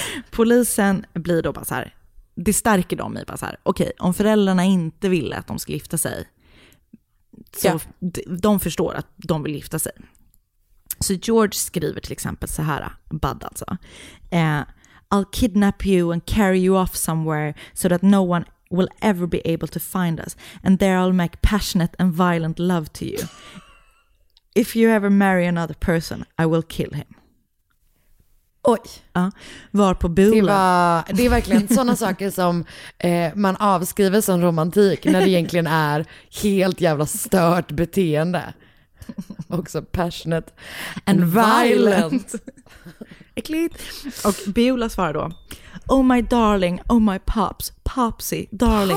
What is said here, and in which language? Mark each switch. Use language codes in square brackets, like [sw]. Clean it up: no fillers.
[sv] Polisen blir då bara så här, det stärker dem i bara så här: okej, okay, om föräldrarna inte ville att de ska gifta sig, så de förstår att de vill gifta sig. Så George skriver till exempel så här, Bud alltså: [en] I'll kidnap you and carry you off somewhere so that no one will ever be able to find us, and there I'll make passionate and violent love to you. If you ever marry another person, I will kill him. [sv] Oj. Ja, var på Bula. Det är verkligen sådana saker som man avskriver som romantik när det egentligen är helt jävla stört beteende. Också [en] passionate and violent. [sv] Äckligt. Och Bula svarar då: [en] oh my darling, oh my pops, popsy, darling.